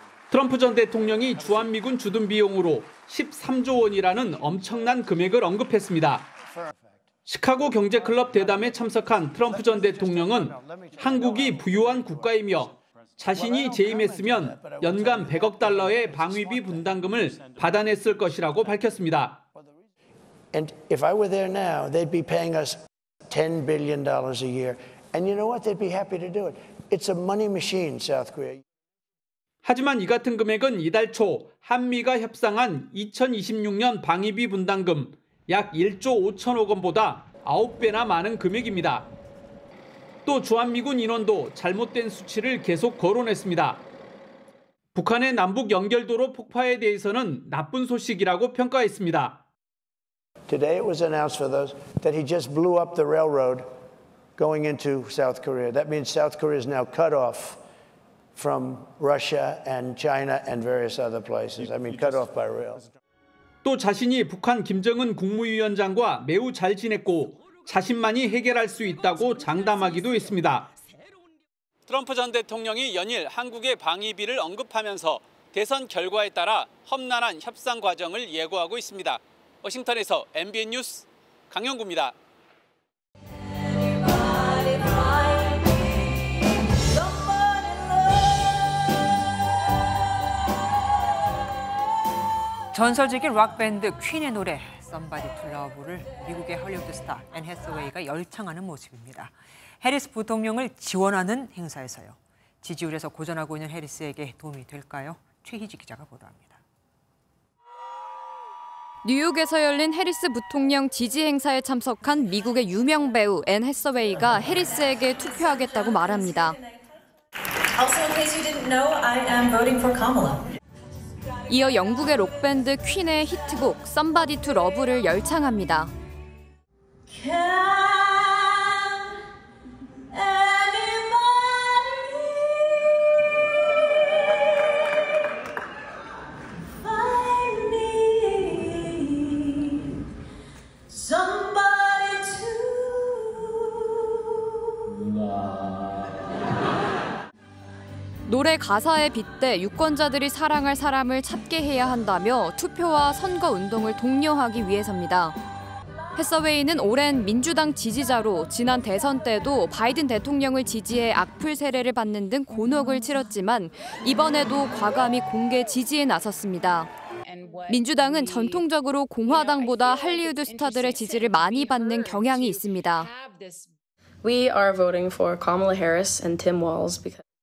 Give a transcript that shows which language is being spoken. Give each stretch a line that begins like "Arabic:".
Korean: 트럼프 전 대통령이 주한미군 주둔 비용으로 13조 원이라는 엄청난 금액을 언급했습니다. 시카고 경제클럽 대담에 참석한 트럼프 전 대통령은 한국이 부유한 국가이며 자신이 재임했으면 연간 100억 달러의 방위비 분담금을 받아냈을 것이라고 밝혔습니다.
English: And if I were there now, they'd be paying us $10 billion a year. And you know what? They'd be happy to do it. It's a money machine, South Korea.
Korean: 하지만 이 같은 금액은 이달 초 한미가 협상한 2026년 방위비 분담금 약 1조 5천억 원보다 9배나 많은 금액입니다. 또 주한미군 인원도 잘못된 수치를 계속 거론했습니다. 북한의 남북 연결도로 폭파에 대해서는 나쁜 소식이라고 평가했습니다.
English: Today it was announced for those that he just blew up the railroad going into South Korea. That means South Korea is now cut off from Russia and China and various other places. I mean, cut off by rail.
Korean: 또 자신이 북한 김정은 국무위원장과 매우 잘 지냈고 자신만이 해결할 수 있다고 장담하기도 했습니다. 트럼프 전 대통령이 연일 한국의 방위비를 언급하면서 대선 결과에 따라 험난한 협상 과정을 예고하고 있습니다. 워싱턴에서 MBN 뉴스 강영구입니다. 전설적인 락밴드 퀸의 노래 Somebody to Love를 미국의 할리우드 스타 앤 해서웨이가 열창하는 모습입니다. 해리스 부통령을 지원하는 행사에서요. 지지율에서 고전하고 있는 해리스에게 도움이 될까요? 최희지 기자가 보도합니다. 뉴욕에서 열린 해리스 부통령 지지 행사에 참석한 미국의 유명 배우 앤 해서웨이가 해리스에게 투표하겠다고 말합니다.
English: Also, in case you didn't know, I am voting for Kamala.
Korean: 이어 영국의 록밴드 퀸의 히트곡 Somebody to Love를 열창합니다. 노래 가사에 빗대 유권자들이 사랑할 사람을 찾게 해야 한다며 투표와 선거 운동을 독려하기 위해서입니다. 해서웨이는 오랜 민주당 지지자로 지난 대선 때도 바이든 대통령을 지지해 악플 세례를 받는 등 곤혹을 치렀지만 이번에도 과감히 공개 지지에 나섰습니다. 민주당은 전통적으로 공화당보다 할리우드 스타들의 지지를 많이 받는 경향이 있습니다.
English: We are voting for Kamala Harris and Tim Walz because